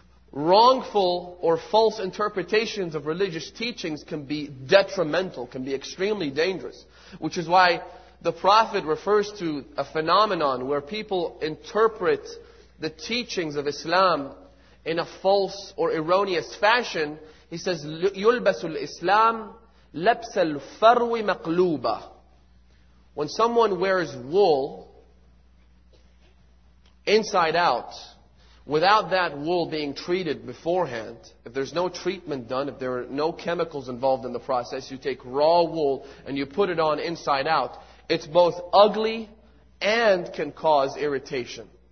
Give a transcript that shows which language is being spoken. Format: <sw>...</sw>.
<en>Wrongful or false interpretations of religious teachings can be detrimental, can be extremely dangerous. Which is why the prophet refers to a phenomenon where people interpret the teachings of Islam in a false or erroneous fashion. He says,</en> <ar>يُلْبَسُ الْإِسْلَامِ لَبْسَ الْفَرْوِ مَقْلُوبَ.</ar> <en>When someone wears wool inside out, without that wool being treated beforehand, if there's no treatment done, if there are no chemicals involved in the process, you take raw wool and you put it on inside out, it's both ugly and can cause irritation.</en>